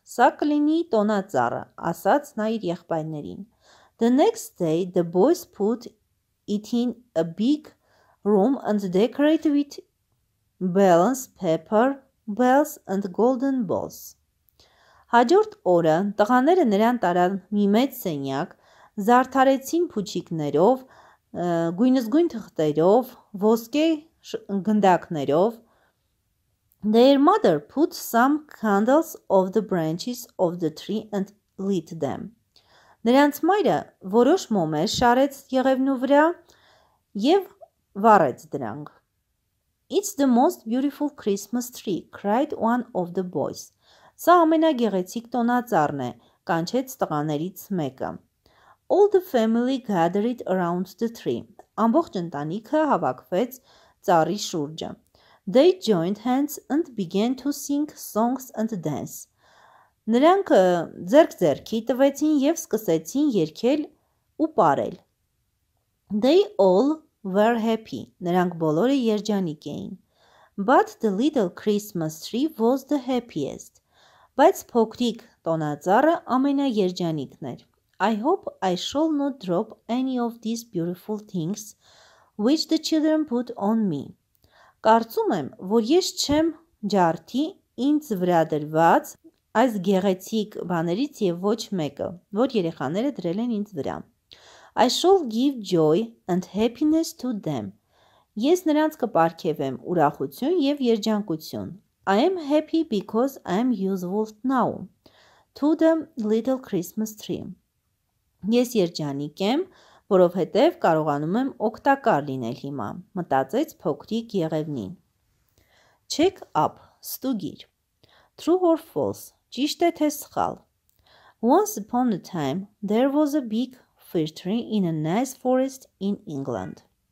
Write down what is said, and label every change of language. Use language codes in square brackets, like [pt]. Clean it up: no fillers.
[hy] Սա կլինի տոնածառը, ասաց նա իր եղբայրներին։ [en] The next day the boys put it in a big room and decorated with bells, paper bells and golden balls. [hy] Հաջորդ օրը տղաները նրան տարան մի մեծ սենյակ, զարդարեցին փուչիկներով, գույնզգույն թղթերով, ոսկե գնդակներով. [en] Their mother put some candles on the branches of the tree and lit them. [hy] Նրանց մայրը որոշ մոմեր շարեց եղևնու վրա եւ վառեց դրանք։ [en] It's the most beautiful Christmas tree, cried one of the boys. [hy] Սա ամենագեղեցիկ տոնածառն է, կանչեց տղաներից մեկը. [en] All the family gathered around the tree. [hy] Ամբողջ ընտանիքը հավաքվեց ծառի շուրջը. [en] They joined hands and began to sing songs and dance. [hy] Նրանք ձեռք-ձեռքի տվեցին և սկսեցին երգել ու պարել. [en] They all were happy. [hy] Նրանք բոլորը երջանիկ էին. [en] But the little Christmas tree was the happiest. [hy] Բայց փոքրիկ տոնածառը ամենաերջանիկն էր. [en] I hope I shall not drop any of these beautiful things which the children put on me. [hy] Կարծում եմ, որ ես չեմ ջարդի ինձ վրա դրված այս գեղեցիկ բաներից եւ ոչ մեկը, որ երեխաները դրել են ինձ վրա. [en] I shall give joy and happiness to them. [hy] Ես նրանց կպարգևեմ ուրախություն եւ երջանկություն. [en] I am happy because I am useful now to the little Christmas tree. [hy] Ես երջանիկ եմ, որովհետև կարողանում եմ օգտակար լինել հիմա, մտածեց փոքրիկ եղևնին։ [en] Check up, [hy] ստուգիր։ [en] True or false, [hy] ճիշտ է թե սխալ։ [en] Once upon a time, there was a big fir tree in a nice forest in England.